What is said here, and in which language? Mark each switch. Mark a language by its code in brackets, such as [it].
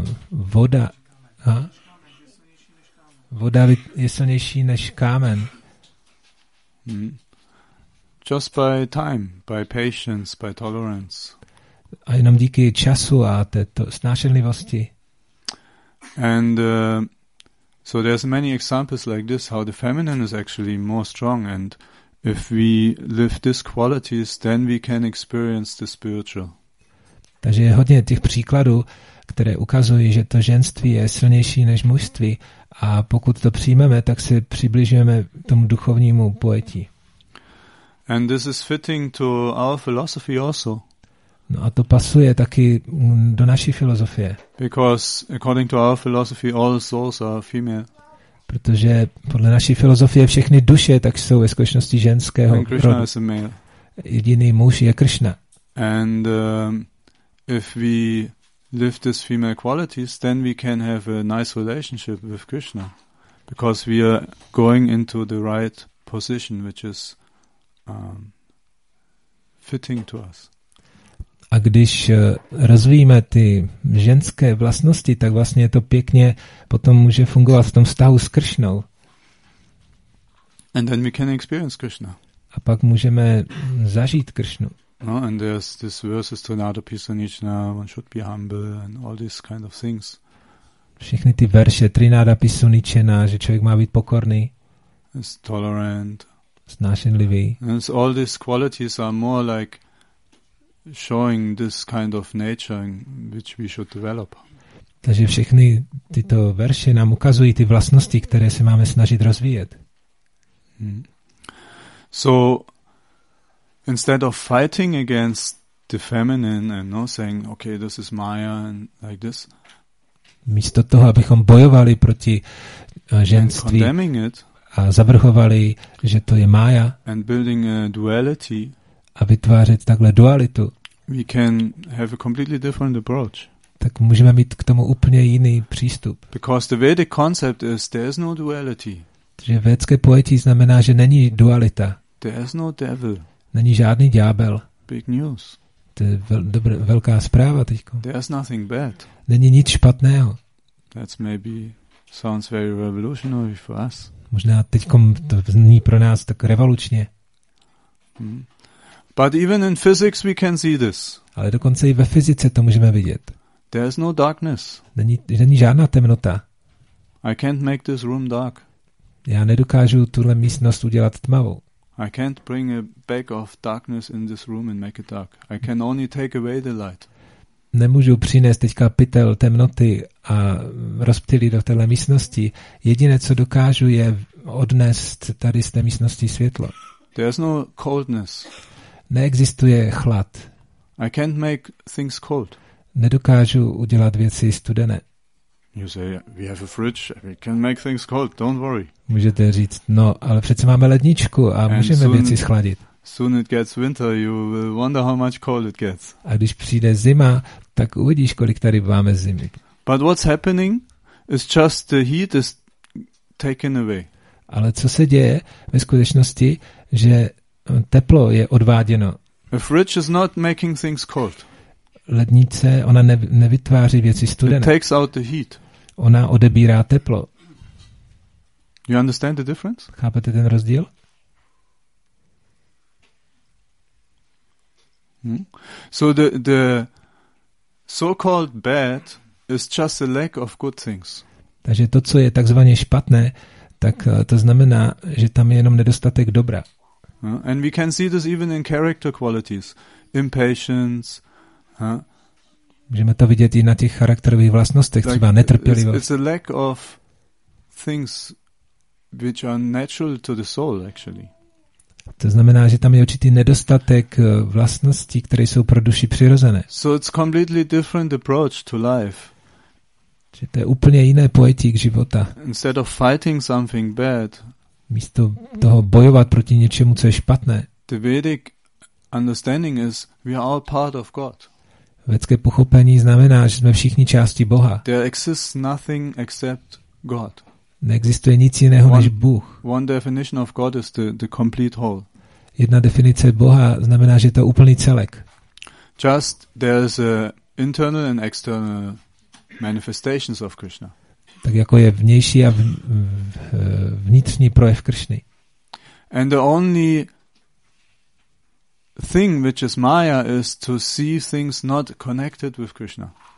[cs] Voda. Ha? Voda je silnější než kámen. [en] Just by time, by patience, by tolerance. [cs] A jenom díky času a této snášenlivosti. [en] And so there's many examples like this, how the feminine is actually more strong, and if we live these qualities, then we can experience the spiritual. [cs] Takže je hodně těch příkladů, které ukazují, že to ženství je silnější než mužství, a pokud to přijmeme, tak se přibližujeme tomu duchovnímu pojetí. [en] And this is fitting to our philosophy also. [cs] No a to pasuje taky do naší filozofie. [en] Because according to our philosophy all souls are female. [cs] Protože podle naší filozofie všechny duše tak jsou ve skutečnosti ženského rodu. [en] And Krishna is a male. [cs] Jediný muž je Krishna. [en] And if we live these female qualities, then we can have a nice relationship with Krishna, because we are going into the right position, which is fitting to us. [cs] A když rozvíjíme ty ženské vlastnosti, tak vlastně to pěkně potom může fungovat v tom vztahu s Kršnou. [en] And then we can experience Krishna. [cs] A pak můžeme zažít Kršnu. [en] No, and there's this verses to Narada Pisanichna, one should be humble and all these kind of things. [cs] Všechny ty verše, Trinada Pisanichna, že člověk má být pokorný. [en] It's tolerant. [cs] Snášenlivý. [en] And so all these qualities are more like showing this kind of nature which we should develop. [cs] Takže všechny tyto verše nám ukazují ty vlastnosti, které se máme snažit rozvíjet. [en] So instead of fighting against the feminine and not saying okay, this is Maya and like this, [cs] místo toho, abychom bojovali proti ženství a zavrhovali, že to je Maya, [en] and building a duality, [cs] a vytvářet takhle dualitu, [en] we can have a completely different approach. [cs] Tak můžeme mít k tomu úplně jiný přístup. [en] Because the Vedic concept is there is no duality. [cs] Že védské pojetí znamená, že není dualita. [en] There is no devil. [cs] Není žádný ďábel. [en] Big news. [cs] To je velká zpráva teďko. [en] There is nothing bad. [cs] Není nic špatného. [en] That's maybe sounds very revolutionary for us. [cs] Možná teďko to zní pro nás tak revolučně. [en] But even in physics we can see this. [cs] Ale dokonce i ve fyzice to můžeme vidět. [en] There is no darkness. [cs] Není žádná temnota. [en] I can't make this room dark. [cs] Já nedokážu tuhle místnost udělat tmavou. [en] I can't bring a bag of darkness in this room and make it dark. I can only take away the light. [cs] Nemůžu přinést teďka pytel temnoty a rozptýlit do téhle místnosti. Jediné, co dokážu, je odnést tady z té místnosti světlo. [en] There's no coldness. [cs] Neexistuje chlad. [en] I can't make things cold. [cs] Nedokážu udělat věci studené. [en] You say we have a fridge, we can make things cold, don't worry. [cs] Můžete říct, no, ale přece máme ledničku a můžeme věci schladit. [en] Soon it gets winter, you will wonder how much cold it gets. [cs] A když přijde zima, tak uvidíš, kolik tady máme zimy. [en] But what's happening is just the heat is taken away. [cs] Ale co se děje ve skutečnosti, že teplo je odváděno. [en] A fridge is not making things cold. [cs] Lednice, ona nevytváří věci studené. [en] It takes out the heat. [cs] Ona odebírá teplo. [en] You understand the difference? [cs] Chápete ten rozdíl? [en] So the so-called bad is just a lack of good things. [cs] Takže to, co je takzvaně špatné, tak to znamená, že tam je jenom nedostatek dobra. [en] And we can see this even in character qualities. Impatience, [cs] Můžeme to vidět i na těch charakterových vlastnostech, like, třeba netrpělivost. [en] It's a lack of things which are natural to the soul, actually. [cs] To znamená, že tam je určitý nedostatek vlastností, které jsou pro duši přirozené. [en] So it's completely different approach to life. [cs] Že to je úplně jiné pojetí k života. [en] Instead of fighting something bad, [cs] místo toho bojovat proti něčemu, co je špatné, [en] the Vedic understanding is we are all part of God. [cs] Vědecké pochopení znamená, že jsme všichni části Boha. [en] There exists nothing except God. [cs] Neexistuje nic jiného než Bůh. [en] One definition of God is the complete whole. [cs] Jedna definice Boha znamená, že je to úplný celek. [en] Just there is internal and external manifestations of Krishna. [cs] Tak jako je vnější a vnitřní projev Kršny. [en] And the only thing which is Maya is to see things not connected with Krishna.